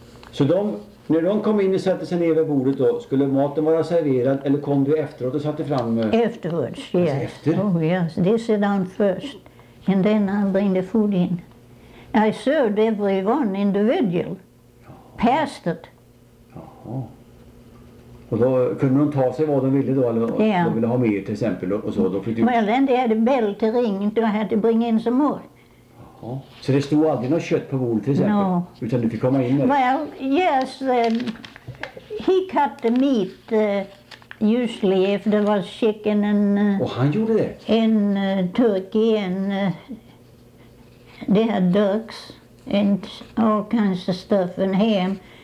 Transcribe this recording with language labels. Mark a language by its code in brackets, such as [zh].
[sv] Så de, när de kom in och satte sig ner vid bordet då, skulle maten vara serverad eller kom du efteråt och satte fram? [en] Afterwards, yes. [sv] Alltså efter? [en] Oh yes, they sit down first. And then I'll bring the food in. I served everyone individual. [sv] Jaha. [en] Passed it. [sv] Jaha. Och då kunde de ta sig vad de ville då, eller vad de ville ha mer till exempel och så. Då fick [en] well, then they had a bell to ring, and I had to bring in some more. [sv] Så det stod aldrig något kött på bordet till exempel? [en] No. [sv] Utan du fick komma in där? [en] Well, yes. He cut the meat usually if there was chicken and... [sv] Och han gjorde det? [en] ...and turkey and... they had ducks and all kinds of stuff and ham.